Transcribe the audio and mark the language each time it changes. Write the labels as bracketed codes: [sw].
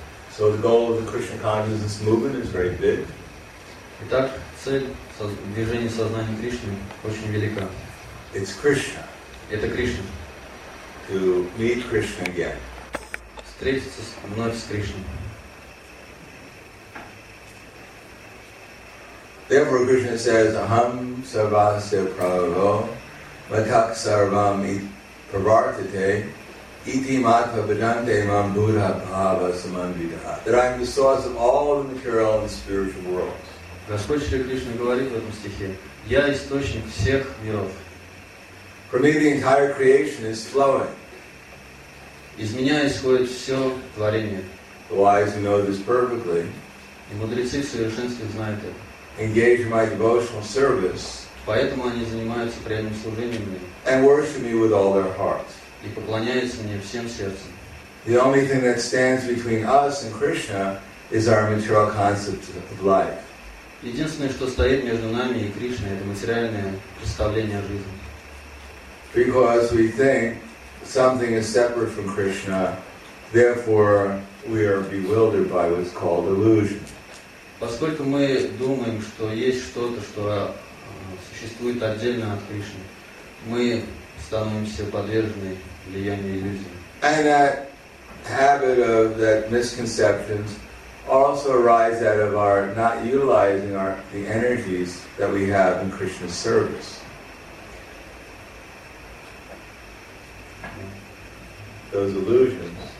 [en] So the goal of the Krishna consciousness movement is very big. [ru] Итак, цель движения сознания Кришны очень велика. [en] It's Krishna. [ru] Это Кришна. [en] To meet Krishna again. [ru] Встретиться вновь с Кришной. [en] Therefore, Krishna says, [sa] "Aham sarvasya prabhavo, matak sarvam pravartate, iti matva vedante mam buddha bhava samanvidaha." [en] That I am the source of all the material and the spiritual worlds. [ru] Господь Шри Кришна говорит в этом стихе, «Я источник всех миров». [en] For me, the entire creation is flowing. [ru] Из меня исходит все творение. [en] The wise know this perfectly. [ru] И мудрецы в совершенстве знают это. [en] Engage my devotional service. [ru] Поэтому они занимаются преданным служением мне. [en] And worship me with all their hearts. [ru] И поклоняются мне всем сердцем. [en] The only thing that stands between us and Krishna is our material concept of life. [ru] Единственное, что стоит между нами и Кришной, это материальное представление о жизни. [en] Because we think something is separate from Krishna, therefore we are bewildered by what's called illusion. [ru] Поскольку мы думаем, что есть что-то, что существует отдельно от Кришны, мы становимся подвержены влиянию иллюзии. [en] And that habit of that misconceptions also arise out of our not utilizing our the energies that we have in Krishna's service. Those illusions.